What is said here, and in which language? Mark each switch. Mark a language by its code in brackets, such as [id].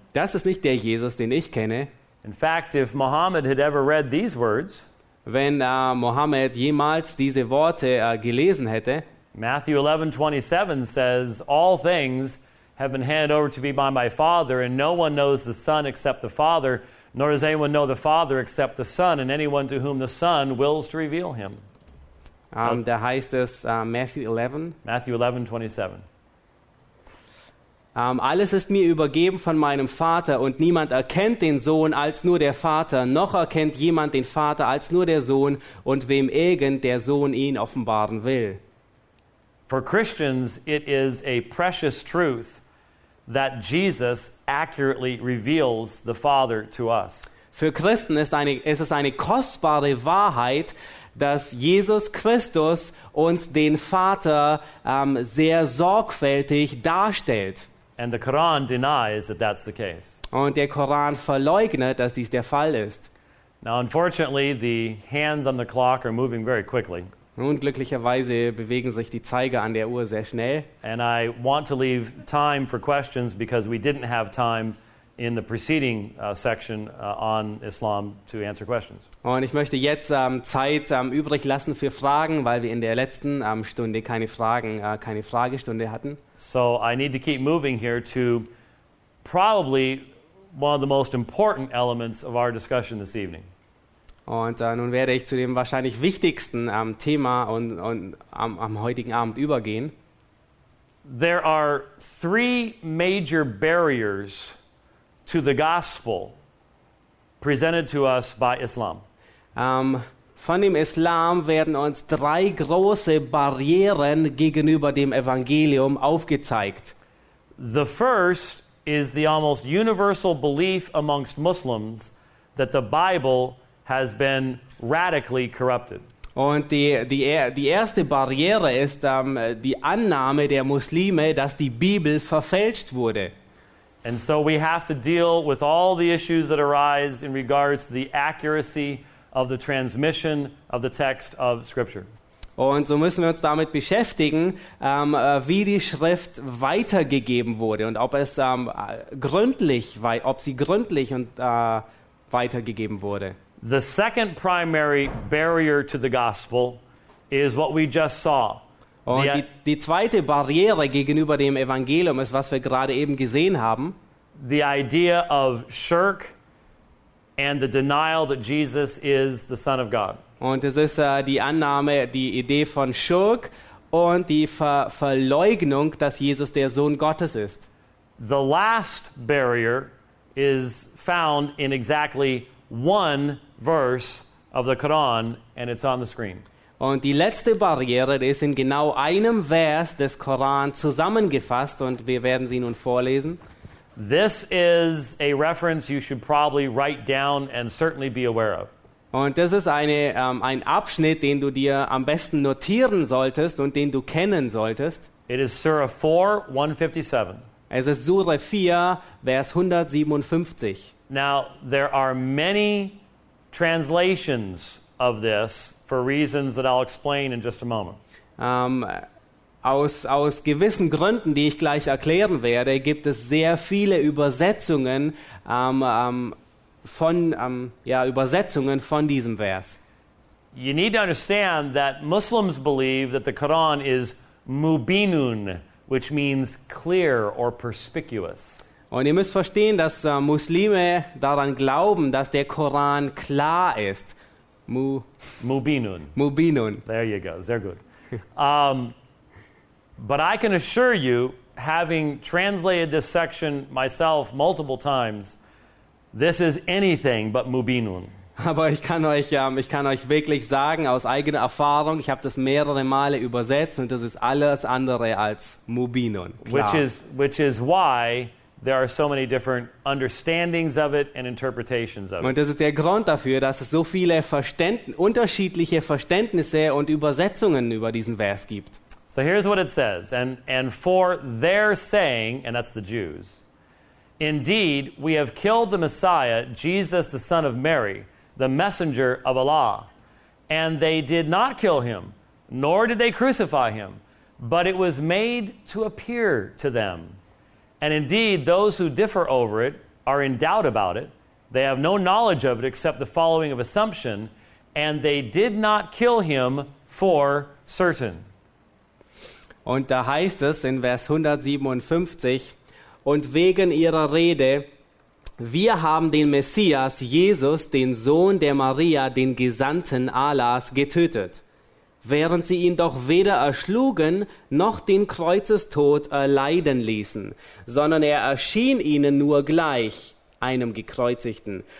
[de] Das ist nicht der Jesus, den ich kenne. [en] In fact, if Muhammad had ever read these words, [de] wenn Mohammed jemals diese Worte gelesen hätte. [en] Matthew 11:27 says, all things have been handed over to me by my Father, and no one knows the Son except the Father, nor does anyone know the Father except the Son, and anyone to whom the Son wills to reveal him. [de] Da heißt es Matthew 11. Matthew 11:27. Alles ist mir übergeben von meinem Vater, und niemand erkennt den Sohn als nur der Vater, noch erkennt jemand den Vater als nur der Sohn und wem irgend der Sohn ihn offenbaren will. [en] For Christians, it is a precious truth that Jesus accurately reveals the Father to us. [de] Für Christen ist es eine kostbare Wahrheit, dass Jesus Christus uns den Vater sehr sorgfältig darstellt. [en] And the Quran denies that that's the case. [de] Und der Koran verleugnet, dass dies der Fall ist. [en] Now, unfortunately, the hands on the clock are moving very quickly. [de] Nun, glücklicherweise bewegen sich die Zeiger an der Uhr sehr schnell. [en] And I want to leave time for questions because we didn't have time in the preceding section on Islam to answer questions. [de] Und ich möchte jetzt Zeit übrig lassen für Fragen, weil wir in der letzten Stunde keine Fragestunde hatten. [en] So I need to keep moving here to probably one of the most important elements of our discussion this evening. [de] Und nun werde ich zu dem wahrscheinlich wichtigsten Thema und am heutigen Abend übergehen. [en] There are three major barriers to the gospel presented to us by Islam. [de] Von dem Islam werden uns drei große Barrieren gegenüber dem Evangelium aufgezeigt. [en] The first is the almost universal belief amongst Muslims that the Bible has been radically corrupted. [de] Und die erste Barriere ist die Annahme der Muslime, dass die Bibel verfälscht wurde. [en] And so we have to deal with all the issues that arise in regards to the accuracy of the transmission of the text of Scripture. [de] Und so müssen wir uns damit beschäftigen, wie die Schrift weitergegeben wurde und ob sie gründlich weitergegeben wurde. [en] The second primary barrier to the gospel is what we just saw. [de] Und die zweite Barriere gegenüber dem Evangelium ist, was wir gerade eben gesehen haben. [en] The idea of shirk and the denial that Jesus is the Son of God. [de] Und es ist die Annahme, die Idee von Schirk und die Verleugnung, dass Jesus der Sohn Gottes ist. [en] The last barrier is found in exactly one verse of the Quran, and it's on the screen. [de] Und die letzte Barriere ist in genau einem Vers des Koran zusammengefasst, und wir werden sie nun vorlesen. [en] This is a reference you should probably write down and certainly be aware of. [de] Und das ist ein Abschnitt, den du dir am besten notieren solltest und den du kennen solltest. [en] It is Surah 4, 157. [de] Es ist Surah 4, Vers 157. [en] Now, there are many translations of this for reasons that I'll explain in just a moment. [de] Aus gewissen Gründen, die ich gleich erklären werde, gibt es sehr viele Übersetzungen Übersetzungen von diesem Vers. [en] You need to understand that Muslims believe that the Quran is mubinun, which means clear or perspicuous. [de] Und ihr müsst verstehen, dass Muslime daran glauben, dass der Koran klar ist. [en] Mubinun. There you go. [de] Sehr gut. [en] But I can assure you, having translated this section myself multiple times, this is anything but mubinun. [de] Aber ich kann euch wirklich sagen, aus eigener Erfahrung, ich habe das mehrere Male übersetzt, und das ist alles andere als mubinun. Klar. [en] Which is why there are so many different understandings of it and interpretations of it. [de] Und das ist der Grund dafür, dass es so viele unterschiedliche Verständnisse und Übersetzungen über diesen Vers gibt. [en] So here's what it says, and for their saying, and that's the Jews, indeed, we have killed the Messiah, Jesus, the son of Mary, the messenger of Allah. And they did not kill him, nor did they crucify him, but it was made to appear to them. And indeed, those who differ over it are in doubt about it. They have no knowledge of it except the following of assumption, and they did not kill him for certain. [de] Und da heißt es in Vers 157, und wegen ihrer Rede, wir haben den Messias, Jesus, den Sohn der Maria, den Gesandten Allahs, getötet, während sie ihn doch weder erschlugen noch den Kreuzestod erleiden ließen, sondern er erschien ihnen nur gleich einem Gekreuzigten.